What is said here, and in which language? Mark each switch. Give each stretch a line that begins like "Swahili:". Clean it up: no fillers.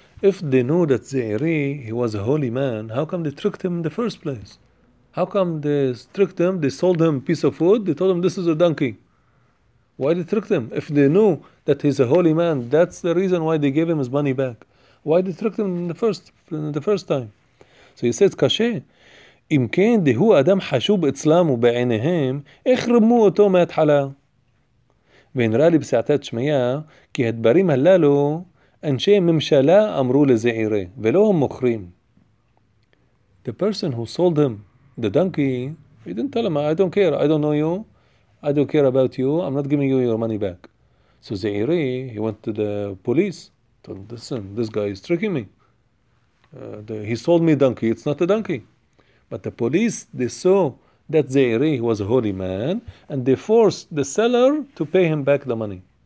English: If they know that Ze'iri, he was a holy man, how come they tricked him in the first place? How come they tricked him, they sold him a piece of wood, they told him this is a donkey? Why they tricked him? If they knew that he's a holy man, that's the reason why they gave him his money back. Why they tricked him in the first time? So he says,
Hebrew: Kashe, אם כן, דהו אדם חשוב אצלם ובעיניהם, איך רמו אותו מהתחלה? ונראה לי בסעתת שמיה, כי הדברים הללו, אנשי ממשלה אמרו לזעירי, ולא הם מוכרים.
English: The person who sold him, the donkey, he didn't tell him, I don't care, I don't know you, I don't care about you, I'm not giving you your money back. So זעירי, he went to the police, told him, listen, this guy is tricking me. He sold me a donkey, it's not a donkey. But the police, they saw that Ze'iri was a holy man, and they forced the seller to pay him back the money.